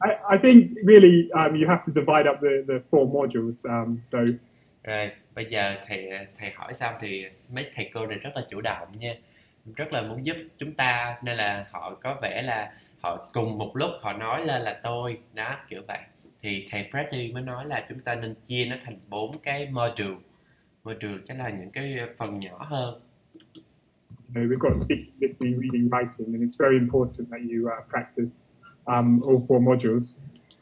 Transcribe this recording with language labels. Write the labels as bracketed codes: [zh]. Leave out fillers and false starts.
[en] I think really you have to divide up the four modules. [vi] Rồi, bây giờ thầy hỏi xong thì mấy thầy cô này rất là chủ động nha. Rất là muốn giúp chúng ta nên là họ có vẻ là họ cùng một lúc họ nói lên là tôi đó kiểu vậy. Thì thầy Freddy mới nói là chúng ta nên chia nó thành bốn cái module chính là những cái phần nhỏ hơn. [en] We've got speaking, listening, reading, writing, and it's very important that you practice all four modules.